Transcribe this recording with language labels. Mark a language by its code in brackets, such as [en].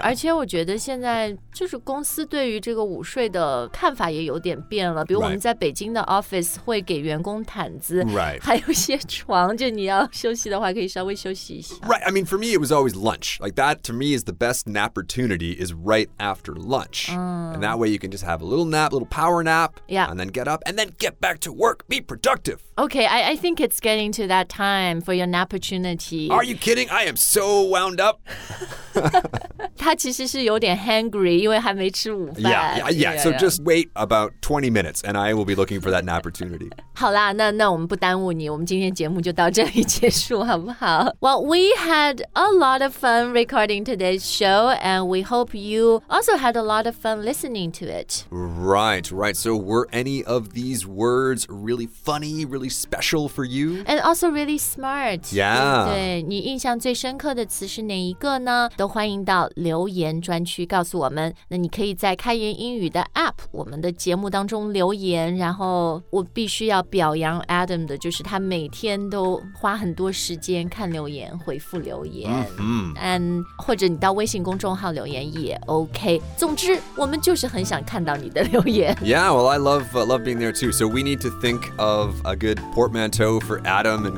[zh] 而且我觉得现在就是公司对于这个午睡的看法也有点变了。比如我们在北京的 office 会给员工毯子， [en] right. [zh] 还有一些床，就你要休息的话可以稍微休息一下。 [en] Right, I mean, for me, it was always lunch. Like that, to me, is the best napportunity is right after lunch.、 Mm. And that way you can just have a little nap, a little power nap,、 yeah. and then get up, and then get back to work, be productive. Okay, I think it's getting to that time for your napportunity. Are you kidding? I am so wound up. [zh] 他其实是有点 hangry, 因为还没吃午饭。 [en] Yeah. So just wait about 20 minutes and I will be looking for that napportunity. [zh] 好啦那我们不耽误你我们今天节目就到这里结束好不好 [en] Well, we had a lot of fun recording today's show and we hope you also had a lot of fun listening to it. Right. So were any of these words really funny, really special for you? And also really smart. Yeah. [zh] 对你印象最深刻的词是哪一个呢都欢迎到留言专区告诉我们那你可以在开言英语的 app 我们的节目当中留言然后我必须要表扬 Adam 的就是他每天都花很多时间看留言回复留言、and, 或者你到微信公众号留言也 OK 总之我们就是很想看到你的留言 [en] Yeah, well I love being there too So we need to think of a good portmanteau for Adam and